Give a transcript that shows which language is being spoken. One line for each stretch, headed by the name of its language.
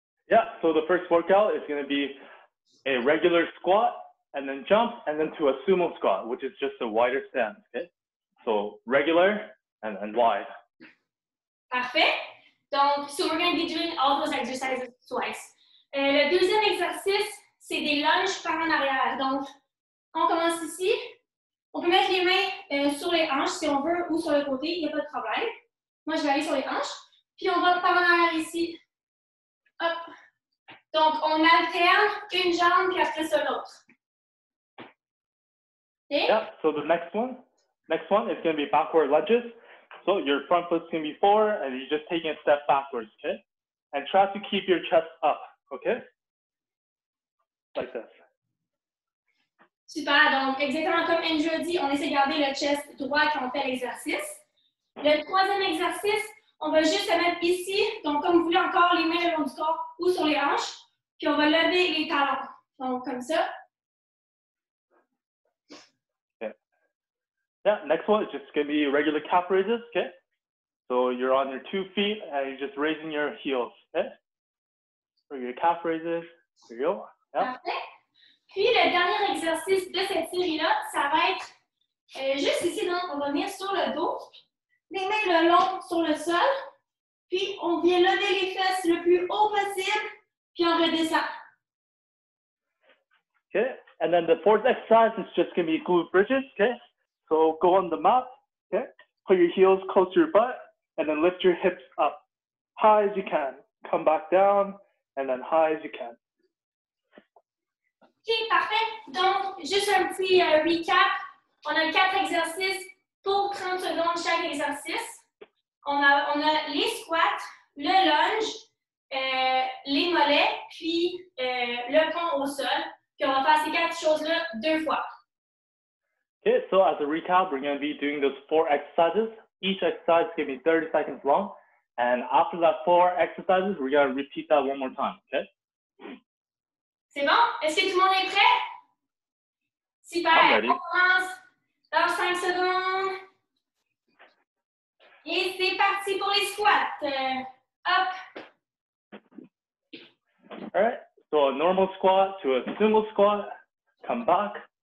English: Yeah, so the first workout is going to be a regular squat, and then jump, and then to a sumo squat, which is just a wider stance. Okay? So, regular and wide.
French: Parfait.
English: Donc, so we're going to be doing all those exercises twice.
French: Le deuxième exercice, c'est des lunges par en arrière. Donc, on commence ici. On peut mettre les mains sur les hanches si on veut ou sur le côté, il n'y a pas de problème. Moi, je vais aller sur les hanches. Puis, on va par en arrière ici. Hop. Donc, on alterne une jambe puis après ça l'autre. OK?
English: Yeah, so the next one is going to be backward lunges. So your front foot's going to be forward, and you're just taking a step backwards, okay? And try to keep your chest up, okay? Like this.
French: Super, donc exactement comme Andrew dit, on essaie de garder le chest droit quand on fait l'exercice. Le troisième exercice, on va juste se mettre ici, donc comme vous voulez encore les mains le long du corps ou sur les hanches, puis on va lever les talons, donc comme ça.
English: Yeah, next one is just going to be regular calf raises, okay? So you're on your two feet and you're just raising your heels, okay? For your calf raises, here you go. Yeah. Perfect.
French: Puis le dernier exercice de cette série-là, ça va être juste ici, donc on va venir sur le dos, les mains le long sur le sol, puis on vient lever les fesses le plus haut possible, puis on redescend.
English: Okay, and then the fourth exercise is just going to be glute bridges, okay? So go on the mat, okay? Put your heels close to your butt, and then lift your hips up high as you can. Come back down, and then high as you can.
French: Okay, parfait. Donc, juste un petit recap. On a quatre exercices pour 30 secondes chaque exercice. On a les squats, le lunge, les mollets, puis le pont au sol. Puis on va faire ces quatre choses-là deux fois.
English: Okay, so as a recap, we're going to be doing those four exercises. Each exercise is going to be 30 seconds long. And after that four exercises, we're going to repeat that one more time, okay?
French: C'est bon? Est-ce que tout le monde est prêt? Super!
English: I'm ready.
French: On commence dans 5 secondes. Et c'est parti pour les squats. Hop!
English: All right, so a normal squat to a single squat. Come back.